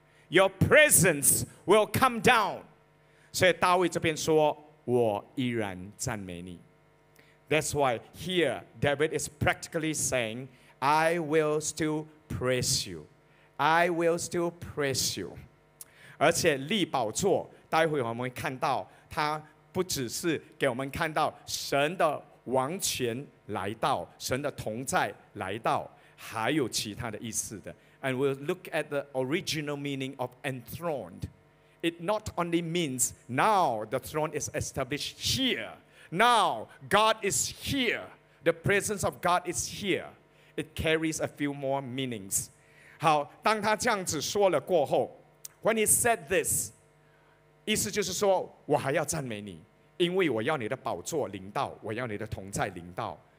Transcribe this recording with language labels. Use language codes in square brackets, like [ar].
[en] Your presence will come down. [zh] 所以大卫这边说，我依然赞美你。 [en] That's why here David is practically saying, I will still praise you. I will still praise you. [zh] 而且立宝座，待会我们会看到，他不只是给我们看到神的王权来到，神的同在来到，还有其他的意思的。 [en] And we'll look at the original meaning of enthroned. It not only means now the throne is established here. Now God is here. The presence of God is here. It carries a few more meanings. [zh] 好，当他这样子说了过后， [en] When he said this, [zh] 意思就是说，我还要赞美你，因为我要你的宝座临到，我要你的同在临到。